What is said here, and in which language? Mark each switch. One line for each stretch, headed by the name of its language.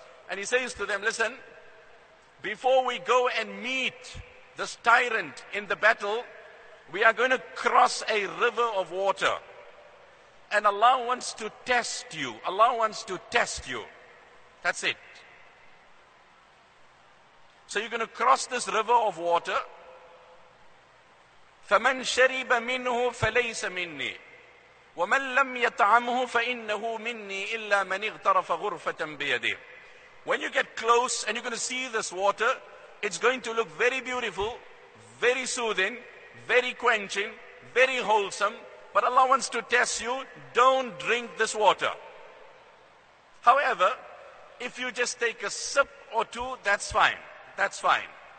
English: And he says to them, listen, before we go and meet this tyrant in the battle, we are going to cross a river of water. And Allah wants to test you. Allah wants to test you. That's it. So you're going to cross this river of water.
Arabic: فمن شرب منه فليس مني ومن لم يطعمه فإنه مني إلا من اغترف غرفة بيده.
English: When you get close and you're going to see this water, it's going to look very beautiful, very soothing, very quenching, very wholesome. But Allah wants to test you, don't drink this water. However, if you just take a sip or two, that's fine. That's fine.